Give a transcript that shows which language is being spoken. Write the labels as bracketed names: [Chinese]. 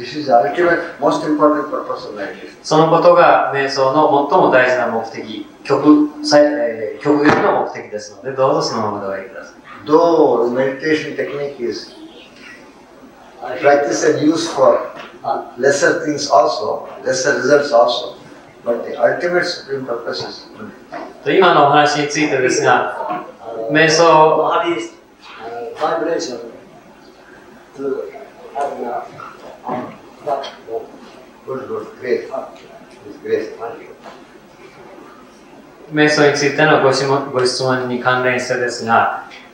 [English] This is the ultimate, most important purpose of meditation. [Japanese] そのことが瞑想の最も大事な目的、極限の目的ですので、どうぞそのままでおいてください。 [English] Though the meditation technique is practiced and used for lesser things also, lesser results also, but the ultimate supreme purpose is meditation. [Japanese] 今のお話についてですが、瞑想瞑想についてのご質問に関連してですが、